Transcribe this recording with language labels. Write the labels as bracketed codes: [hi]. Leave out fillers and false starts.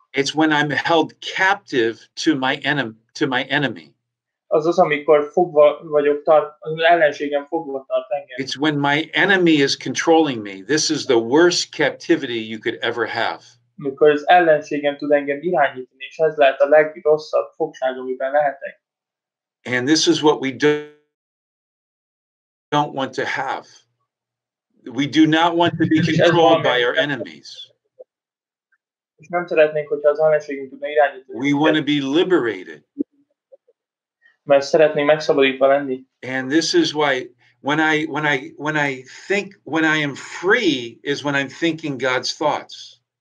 [en] It's when I'm held captive to my enemy. [hu] Az, amikor fogva vagyok tartva, az ellenségem fogva tart engem. [en] It's when my enemy is controlling me. This is the worst captivity you could ever have. [hu] Amikor az ellenségem tud engem irányítani, és ez lehet a legrosszabb fogság, amiben lehetek. [en] And this is what we don't want to have. We do not want to be controlled by our enemies. We want to be liberated. And this is why when I am free is when I'm thinking God's thoughts.